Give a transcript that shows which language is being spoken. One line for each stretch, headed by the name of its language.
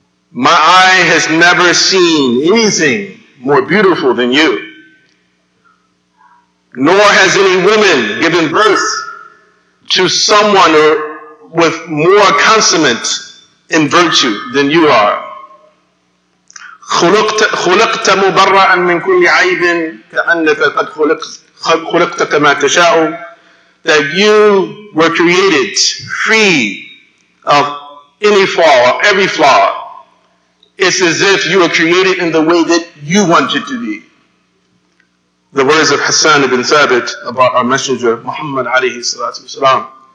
English: My eye has never seen anything more beautiful than you, nor has any woman given birth to someone with more consummate in virtue than you are.
Arabic: خلقت مبرعا من كل عيب كأنك قد خلقت كما تشاء.
English: That you were created free of any flaw, or every flaw. It's as if you were created in the way that you wanted to be. The words of Hassan ibn Thabit about our Messenger Muhammad alayhi salatu wasalam.